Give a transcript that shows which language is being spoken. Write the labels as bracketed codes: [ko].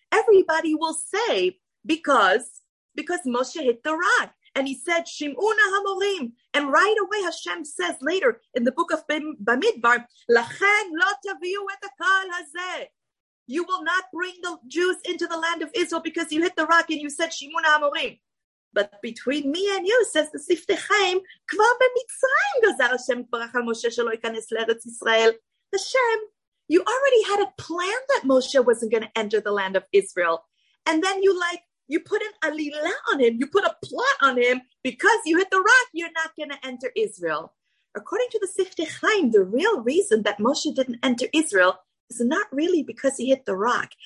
[en] Everybody will say, because Moshe hit the rock. And he said, [he] Shim'una Hamorim. [en] And right away Hashem says later in the book of Bamidbar, [he] Lachen lo taviu et hakol hazeh. [en] You will not bring the Jews into the land of Israel because you hit the rock and you said, [he] Shim'una Hamorim. [en] But between me and you, says the Sifte Chaim, [he] כבר במצרים גזר השם ברך על משה שלא ייכנס לארץ ישראל. [en] Hashem, you already had a plan that Moshe wasn't going to enter the land of Israel. And then you put an alila on him, you put a plot on him, because you hit the rock, you're not going to enter Israel. According to the Sifte Chaim, the real reason that Moshe didn't enter Israel is not really because he hit the rock.